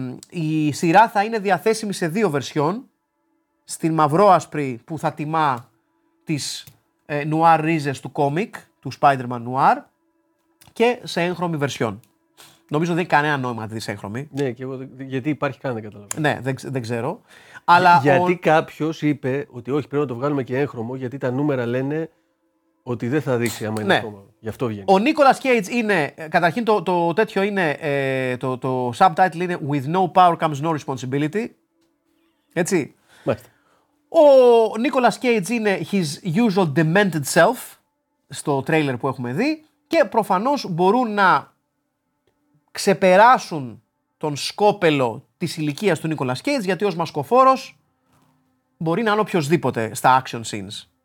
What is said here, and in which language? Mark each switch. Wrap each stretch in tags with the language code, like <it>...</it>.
<el>Η σειρά θα είναι διαθέσιμη σε δύο βερσιόν. Στην μαυρόασπρη που θα τιμά τις νουάρ ρίζες του κόμικ, του Spider-Man Noir, και σε έγχρωμη βερσιόν. Νομίζω δεν έχει κανένα νόημα να τη δεις έγχρωμη. Ναι, και εγώ, γιατί υπάρχει καν, δεν καταλαβαίνω. Ναι, δεν ξέρω. Αλλά γιατί κάποιος είπε ότι όχι, πρέπει να το βγάλουμε και έγχρωμο, γιατί τα νούμερα λένε ότι δεν θα δείξει άμα είναι ακόμα. Ναι. Γι' αυτό βγαίνει. Ο Nicolas Cage είναι, καταρχήν το τέτοιο είναι, το subtitle είναι</el> <en>«With no power comes no responsibility».</en> <el>Έτσι. Μάλιστα. Ο Nicolas Cage είναι</el> <en>«his usual demented self»</en> <el>στο trailer που έχουμε δει και προφανώς μπορούν να ξεπεράσουν τον σκόπελο της ηλικίας του Nicolas Cage, γιατί ως μασκοφόρος μπορεί να είναι οποιοδήποτε στα</el> <en>action scenes.</en>